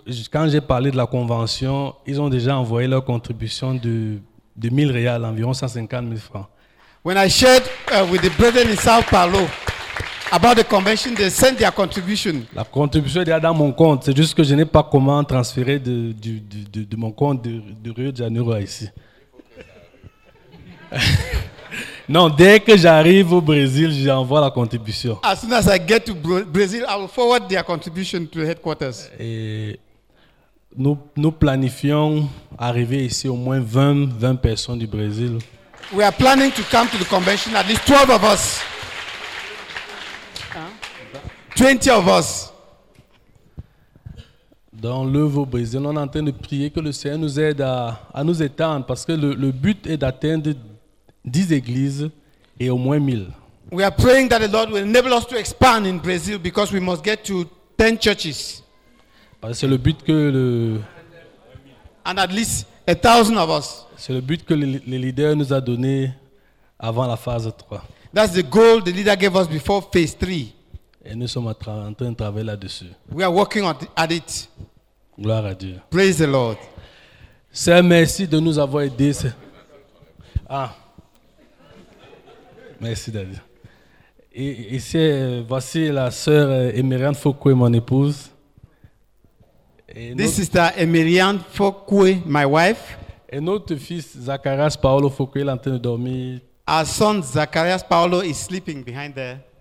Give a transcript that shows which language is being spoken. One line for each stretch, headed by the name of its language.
French: Quand j'ai parlé de la convention, ils ont déjà envoyé leur contribution de 1000 reals, environ 150 000 francs.
English: When I shared with the brethren in São Paulo about the convention, they sent their contribution.
French: La contribution est déjà dans mon compte. C'est juste que je n'ai pas comment transférer de mon compte de Rio de Janeiro à ici. Non, dès que j'arrive au Brésil, j'envoie la contribution.
English: As soon as I get to Brazil, I will forward their contribution to the headquarters.
French: Et nous planifions arriver ici au moins 20 personnes du Brésil.
English: We are planning to come to the convention at least 12 of us. 20 of us.
French: Dans le Brésil, on est en train de prier que le Seigneur nous aide à nous étendre parce que le but est d'atteindre 10 églises et au moins 1000.
English: We are praying that the Lord will enable us to expand in Brazil because we must get to 10 churches.
French: Parce que c'est le but que le
English: and at least 1000 of us.
French: C'est le but que le leader nous a donné avant la phase 3.
English: That's the goal the leader gave us before phase 3.
French: Et nous sommes en train de travailler là-dessus.
English: We are working at it.
French: Gloire à Dieu.
English: Praise the Lord.
French: Seigneur, merci de nous avoir aidés. Ah. Merci David. Et voici la sœur Emeriane Fokwe, mon épouse.
English: This sister Emeriane Fokwe, my wife.
French: Et notre fils Zacharias Paolo Fokwe est en train de dormir.
English: Our son Zacharias Paolo is sleeping behind there.